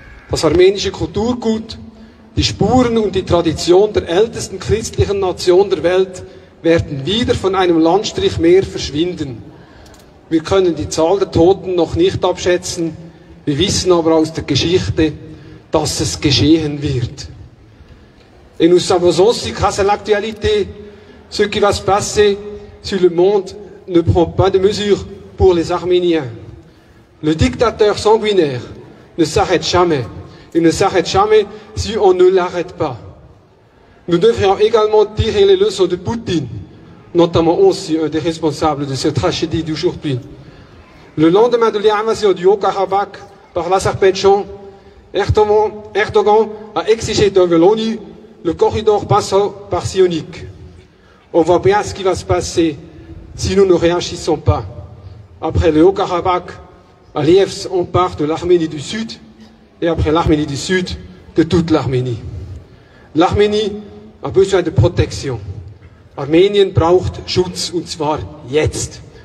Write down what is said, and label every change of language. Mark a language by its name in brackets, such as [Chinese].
[German] Das armenische Kulturgut, die Spuren und die Tradition der ältesten christlichen Nation der Welt werden wieder von einem Landstrich mehr verschwinden. Wir können die Zahl der Toten noch nicht abschätzen, wir wissen aber aus der Geschichte, dass es geschehen wird. [French] In Usavososi kase l'actualité, ce qui va se passer sur le monde ne prend pas de mesures pour les Arméniens. Le dictateur sanguinaire ne s'arrête jamais. Il ne s'arrête jamais si on ne l'arrête pas. Nous devrions également tirer les leçons de Poutine, notamment aussi un des responsables de cette tragédie d'aujourd'hui. Le lendemain de l'invasion du Haut-Karabakh par l'Azerbaïdjan, Erdogan a exigé de l'ONU le corridor passant par Sionik. On voit bien ce qui va se passer si nous ne réagissons pas. Après le Haut-Karabakh, Aliyev s'empare de l'Arménie du Sud et après l'Arménie du Sud, de toute l'Arménie. L'Arménie a besoin de protection. [German] Armenien braucht Schutz und zwar jetzt.